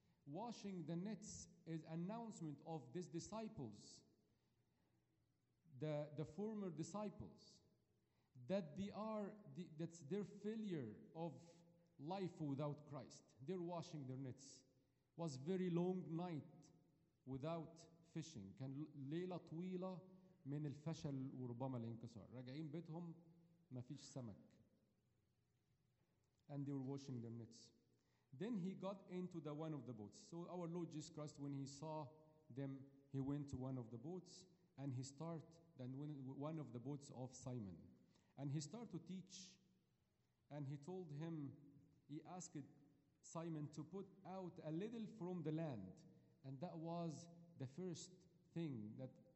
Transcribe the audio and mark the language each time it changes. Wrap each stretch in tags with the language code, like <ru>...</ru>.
<en>Washing the nets is announcement of these disciples, the former disciples, that they are, that's their failure of life without Christ. They're washing their nets. It was very long night without fishing.</en> <ar>كان ليلة طويلة من الفشل وربما الانكسار. راجعين بيتهم ما فيش سمك.</ar> <en>And they were washing their nets. Then he got into the one of the boats. So our Lord Jesus Christ, when he saw them, he went to one of the boats, and he started, and one of the boats of Simon. And he started to teach, and he asked Simon to put out a little from the land. And that was the first thing that</en>